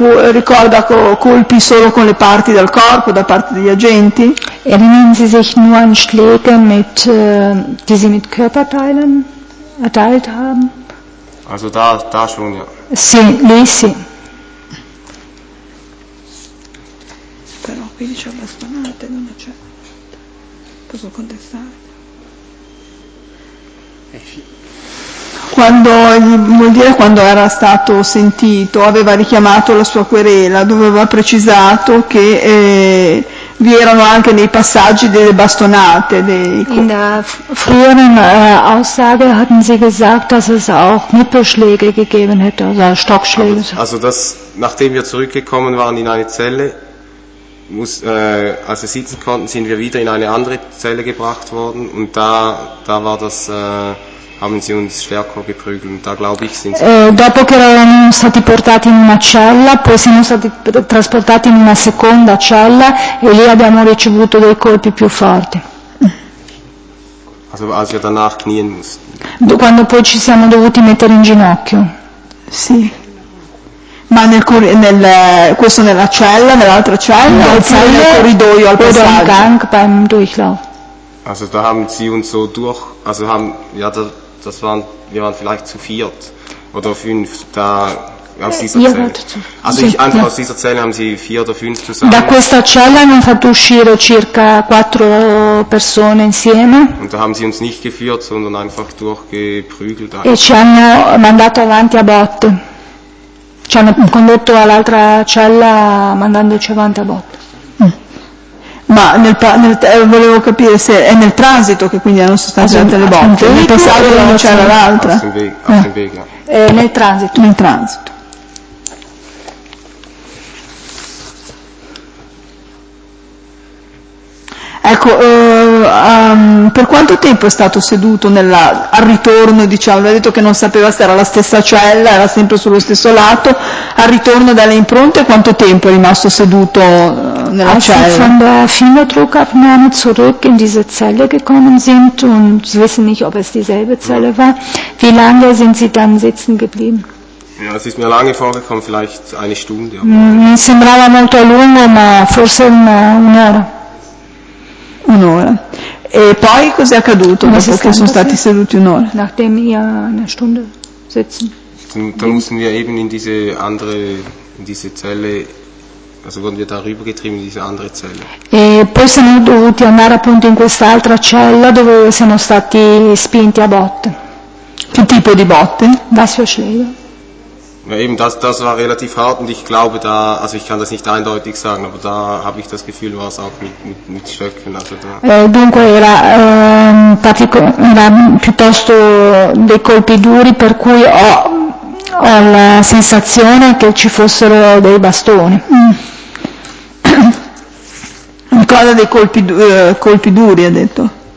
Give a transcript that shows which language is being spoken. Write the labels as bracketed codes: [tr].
[it] Ricorda colpi solo con le parti del corpo, da parte degli agenti? [de] Erinnern Sie sich nur an Schläge, die Sie mit Körperteilen erteilt haben? Also da schon, ja. [it] Sì, lì sì. Però qui dice bastonate, non c'è. Posso contestare? Quando, vuol dire quando era stato sentito, aveva richiamato la sua querela, dove aveva precisato che vi erano anche nei passaggi delle bastonate. [de] In der früheren Aussage hatten sie gesagt, dass es auch Nippelschläge gegeben hätte, also Stockschläge. Also das, nachdem wir zurückgekommen waren in eine Zelle, als wir sitzen konnten, sind wir wieder in eine andere Zelle gebracht worden und da war das... haben sie uns stärker geprügelt und da glaube ich sind sie [it] dopo che erano stati portati in una cella, poi siamo stati trasportati in una seconda cella e lì abbiamo ricevuto dei colpi più forti. [de] Also als wir danach knien mussten. [it] Quando poi ci siamo dovuti mettere in ginocchio. Sì. Ma questo nella cella, nell'altra cella, nel corridoio al passaggio. [de] Oder im Gang beim Durchlauf. Also da haben sie uns so durch, also haben ja da das waren, wir waren vielleicht zu viert oder fünf da aus dieser Zelle. Also ich einfach aus dieser Zelle haben sie vier oder fünf zusammen. [it] Da questa cella hanno fatto uscire circa quattro persone insieme. [de] Und da haben sie uns nicht geführt, sondern einfach durchgeprügelt. [it] E ci hanno mandato avanti a botte. Ci hanno condotto all'altra cella mandandoci avanti a botte. Ma volevo capire se è nel transito che quindi hanno sostanzialmente le botte, nel passaggio non c'era l'altra. Nel transito. Ecco, per quanto tempo è stato seduto al ritorno, diciamo, ha detto che non sapeva se era la stessa cella, era sempre sullo stesso lato, al ritorno dalle impronte quanto tempo è rimasto seduto nella cella? [de] Als wir von der Fingerdruckabnahme zurück in diese Zelle gekommen sind und Sie wissen nicht, ob es dieselbe Zelle war, wie lange sind Sie dann sitzen geblieben? Ja, es ist mir lange vorgekommen, vielleicht eine Stunde. [it] Mi sembrava molto lungo, ma forse un'ora. Un'ora. E poi cos'è accaduto dopo che sono stati seduti un'ora? [de] Nachdem wir eine Stunde sitzen. Dann mussten wir eben in diese andere, in diese Zelle, also wurden wir darüber getrieben in diese andere Zelle. [it] E poi siamo dovuti andare appunto in quest'altra cella dove siamo stati spinti a botte. Che tipo di botte? [de] Was für Schläge? Ja, eben, das war relativ hart und ich glaube da, also ich kann das nicht eindeutig sagen, aber da habe ich das Gefühl, war es auch mit Stöcken, also da. [it] Dunque era piuttosto dei colpi duri, per cui ho la sensazione che ci fossero dei bastoni. Ricorda dei colpi duri, ha detto.